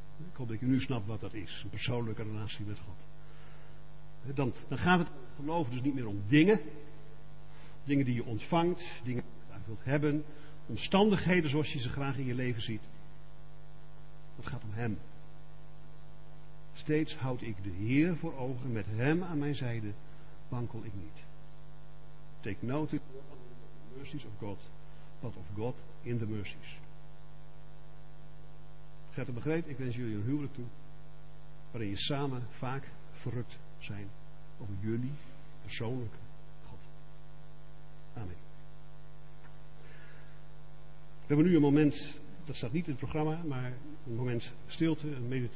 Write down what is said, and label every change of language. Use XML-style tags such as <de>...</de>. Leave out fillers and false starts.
<nl>Ik hoop dat je nu snapt wat dat is. Een persoonlijke relatie met God. Dan gaat het geloven dus niet meer om dingen. Dingen die je ontvangt. Dingen die je wilt hebben. Omstandigheden zoals je ze graag in je leven ziet. Het gaat om hem. Steeds houd ik de Heer voor ogen. Met hem aan mijn zijde wankel ik niet.</nl> <en>Take note of the mercies of God. But of God in de mercies.</en> <nl>Gert het begreep, ik wens jullie een huwelijk toe waarin je samen vaak verrukt zijn over jullie persoonlijke God. Amen. We hebben nu een moment, dat staat niet in het programma, maar een moment stilte.</nl>